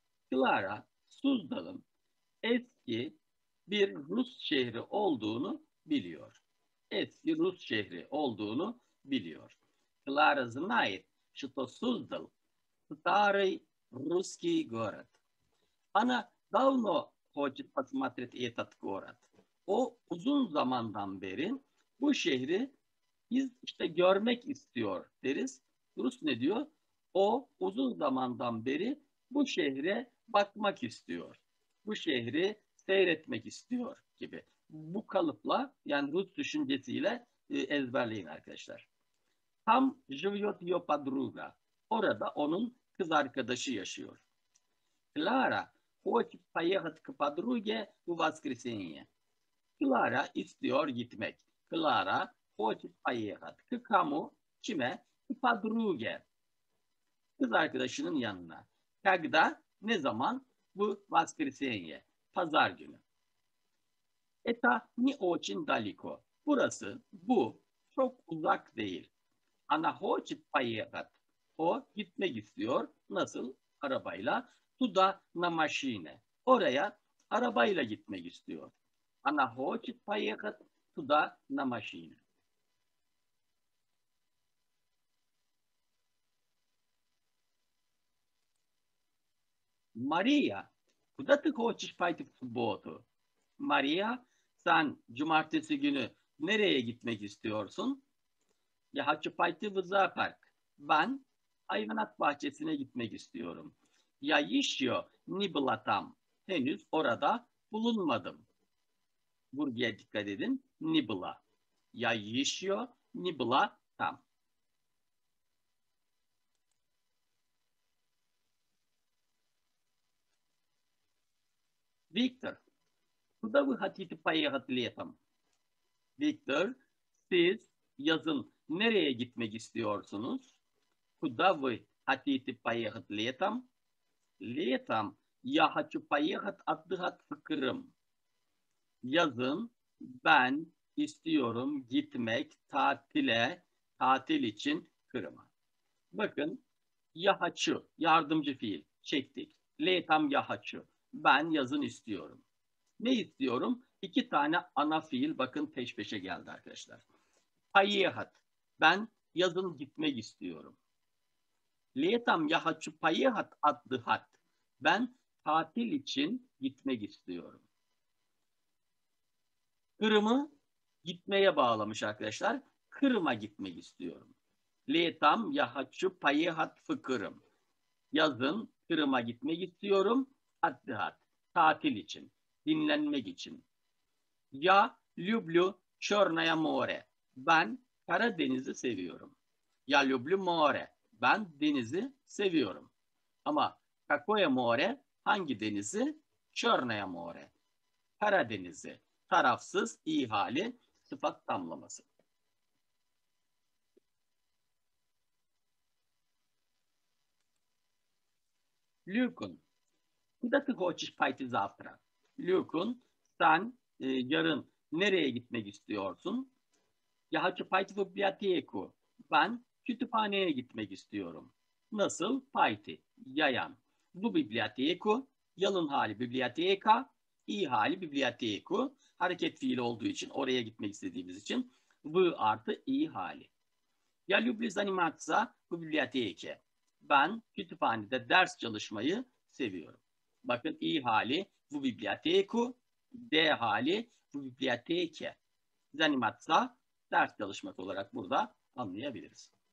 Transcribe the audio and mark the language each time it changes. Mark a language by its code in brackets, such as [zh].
[tr] Klara Suzdal'ın eski bir Rus şehri olduğunu biliyor. Eski Rus şehri olduğunu biliyor. [ru] Klara znait što suzdal starý ruský город. Она давно хочет посмотреть этот город. [tr] O uzun zamandan beri bu şehri biz işte görmek istiyor deriz. Rus ne diyor? O uzun zamandan beri bu şehre bakmak istiyor. Bu şehri seyretmek istiyor gibi. Bu kalıpla yani Rus düşüncesiyle ezberleyin arkadaşlar. [ru] Tam живёт её подруга. [tr] Orada onun kız arkadaşı yaşıyor. [ru] Клара хочет поехать к подруге в воскресенье. [tr] Клара istiyor gitmek. [ru] Клара хочет поехать к кому? [tr] Kime? [ru] К подруге. [tr] Kız arkadaşının yanına. [ru] Когда? [tr] Ne zaman? Bu воскресенье. Pazar günü. [ru] Это не очень далеко. [tr] Burası, bu, çok uzak değil. [ru] Она хочет поехать. [tr] O gitmek istiyor. Nasıl? Arabayla. [ru] Туда на машине. [tr] Oraya arabayla gitmek istiyor. [ru] Она хочет поехать туда на машине. Maria, куда ты хочешь пойти в субботу? [tr] Maria, sen cumartesi günü nereye gitmek istiyorsun? [ru] Я хочу пойти в зоопарк. [tr] Ben hayvanat bahçesine gitmek istiyorum. [ru] Я ещё не была там. [tr] Henüz orada bulunmadım. Buraya dikkat edin. [ru] Не была. Я ещё не была там. Виктор, куда вы хотите поехать летом? [tr] Виктор, siz yazın nereye gitmek istiyorsunuz? [ru] Куда вы хотите поехать летом? Летом я хочу поехать отдыхать в Крым. [tr] Yazın ben istiyorum gitmek tatile, tatil için Kırım'a. Bakın, [ru] я хочу, [tr] yardımcı fiil, çektik. [ru] Летом я хочу. [tr] Ben yazın istiyorum. Ne istiyorum? İki tane ana fiil bakın peş peşe geldi arkadaşlar. [ru] Поехать. [tr] Ben yazın gitmek istiyorum. [ru] Летом я хочу поехать отдыхать. [tr] Ben tatil için gitmek istiyorum. Kırım'ı gitmeye bağlamış arkadaşlar. Kırım'a gitmek istiyorum. [ru] Летом я хочу поехать в Крым. [tr] Yazın Kırım'a gitmek istiyorum. [ru] Отдыхать. [tr] Tatil için, dinlenmek için. [ru] Я люблю Чёрное море. [tr] Ben Karadeniz'i seviyorum. [ru] Я люблю море. [tr] Ben denizi seviyorum. Ama [ru] какое море? [tr] Hangi denizi? [ru] Чёрное море. [tr] Karadeniz'i. Tarafsız, iyi hali, sıfat tamlaması. Люкун. [ru] Куда ты хочешь пойти завтра? [tr] Люкун, sen yarın nereye gitmek istiyorsun? [ru] Я хочу пойти в библиотеку. [tr] Ben kütüphaneye gitmek istiyorum. Nasıl? Пойти, yayan. [ru] В библиотеку, [tr] yalın hali библиотека, iyi hali библиотеку, hareket fiili olduğu için, oraya gitmek istediğimiz için, в artı iyi hali. [ru] Я люблю заниматься в библиотеке. [tr] Ben kütüphanede ders çalışmayı seviyorum. Bakın i hali bu biblioteku, d hali bu biblioteke. Zanimatsa ders çalışmak olarak burada anlayabiliriz.